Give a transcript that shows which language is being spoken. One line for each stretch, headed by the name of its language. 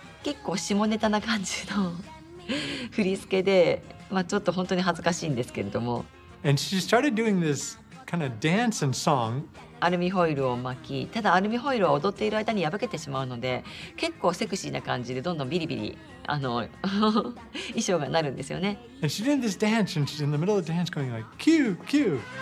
Japanese: 結構下ネタな感じの振り付けで、まあ、ちょっと本当に恥ずかしいんですけれども。
English: And she started doing this kind of dance and song.
Japanese: アルミホイルを巻き、ただアルミホイルを踊っている間に破けてしまうので、結構セクシーな感じでどんどんビリビリ衣装がなるんですよね。
English: And she's doing this dance and she's in the middle of the dance going like, Kew, Kew.